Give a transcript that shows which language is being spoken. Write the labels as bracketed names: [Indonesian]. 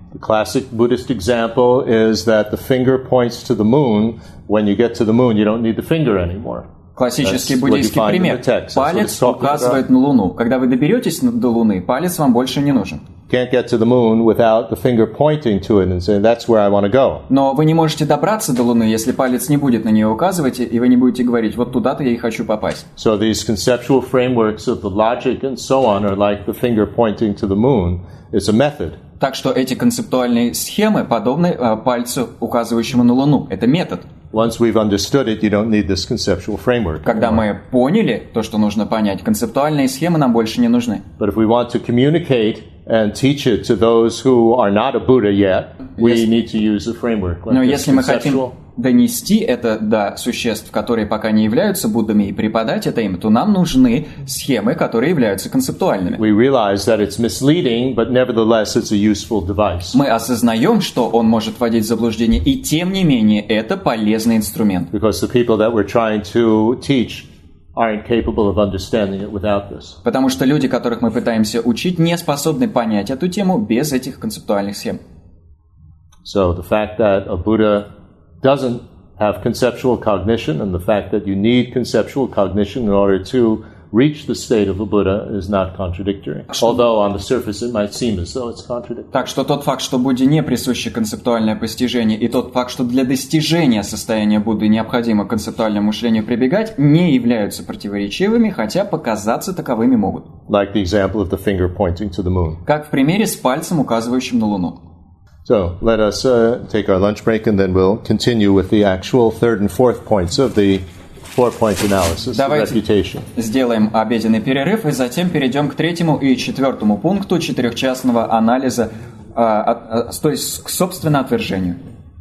[English] The classic Buddhist example is that the finger points to the moon. When you get to the moon, you don't need the finger anymore. [Russian] Классический буддийский пример. Палец указывает на Луну. Когда вы доберетесь до Луны, палец вам больше не нужен. [English] Can't get to the moon without the finger pointing to it and saying that's where I want to go. [Russian] Но вы не можете добраться до Луны, если палец не будет на нее указывать, и вы не будете говорить: вот туда-то я и хочу попасть. [English] So these conceptual frameworks of the logic and so on are like the finger pointing to the moon. It's a method. [Russian] Так что эти концептуальные схемы подобны пальцу, указывающему на Луну. Это метод. [English] Once we've understood it, you don't need this conceptual framework. [Russian] Когда мы поняли то, что нужно понять, концептуальные схемы нам больше не нужны. [English] But if we want to communicate and teach it to those who are not a Buddha yet, we need to use a framework. [Russian] Но если мы хотим донести это до существ, которые пока не являются Буддами, и преподать это им, то нам нужны схемы, которые являются концептуальными. [English] We realize that it's misleading, but nevertheless it's a useful device. [Russian] Мы осознаем, что он может вводить в заблуждение, и тем не менее это полезный инструмент. [English] Because the people that we're trying to teach aren't capable of understanding it without this. [Russian] Потому что люди, которых мы пытаемся учить, не способны понять эту тему без этих концептуальных схем. [English] So the fact that a Buddha doesn't have conceptual cognition, and the fact that you need conceptual cognition in order to reach the state of a Buddha is not contradictory. Although on the surface it might seem as though it's contradictory. [Russian] Так что тот факт, что Будде не присуще концептуальное постижение, и тот факт, что для достижения состояния Будды необходимо к концептуальному мышлению прибегать, не являются противоречивыми, хотя показаться таковыми могут. [English] Like the example of the finger pointing to the moon. [Russian] Как в примере с пальцем, указывающим на Луну. [English] So let us take our lunch break, and then we'll continue with the actual third and fourth points of the four-point analysis. [Russian] Давайте [English] the reputation. [Russian] Сделаем обеденный перерыв, и затем перейдем к третьему и четвертому пункту четырехчастного анализа, то есть к собственно отвержению.